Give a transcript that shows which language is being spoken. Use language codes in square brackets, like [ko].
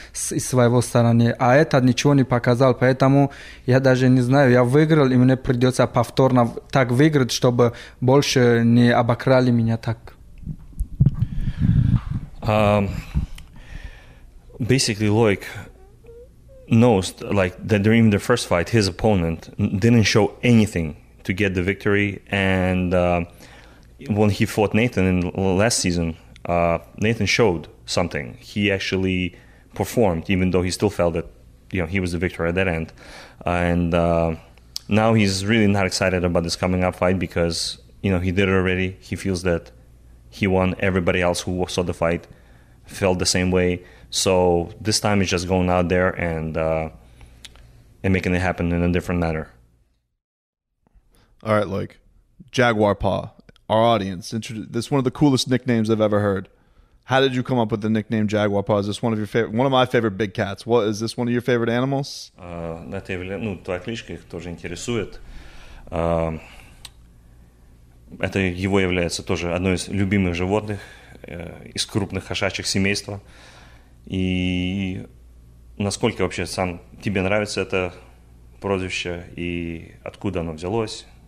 [ru] из своего стороны, а этот ничего не показал, поэтому я даже не знаю, я выиграл, и мне придется повторно так выиграть, чтобы больше не обокрали меня так. [en] Basically, Loic knows, like, that during the first fight, his opponent didn't show anything to get the victory, and when he fought Nathan in last season, Nathan showed something. He actually performed, even though he still felt that, you know, he was the victor at that end. And now he's really not excited about this coming up fight because, you know, he did it already. He feels that he won. Everybody else who saw the fight felt the same way. So this time he's just going out there and making it happen in a different manner. All right, like Jaguar Paw, our audience, this is one of the coolest nicknames I've ever heard. How did you come up with the nickname Jaguar Paw? Is this one of your favorite? One of my favorite big cats. What is this one of your favorite animals? [ru] На тебе, ну, твоя кличка их тоже интересует. Это его является тоже одной из любимых животных из крупных кошачьих семейства. И насколько вообще сам тебе нравится это прозвище и откуда оно взялось?